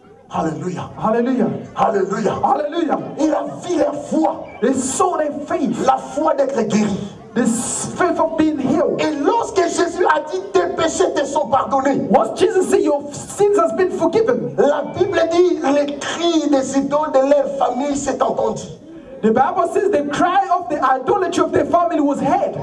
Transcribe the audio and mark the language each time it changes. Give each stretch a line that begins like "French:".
French: Alléluia. Alléluia. Alléluia. Alléluia. Il a vu la foi.
English: They saw their faith.
French: La foi d'être guéri.
English: The faith of being healed.
French: Et lorsque Jésus a dit tes péchés te sont pardonnés.
English: Once Jesus said your sins has been forgiven.
French: La Bible dit les cris des idoles de leur famille s'est entendu.
English: The Bible says the cry of the idolatry of the family was heard.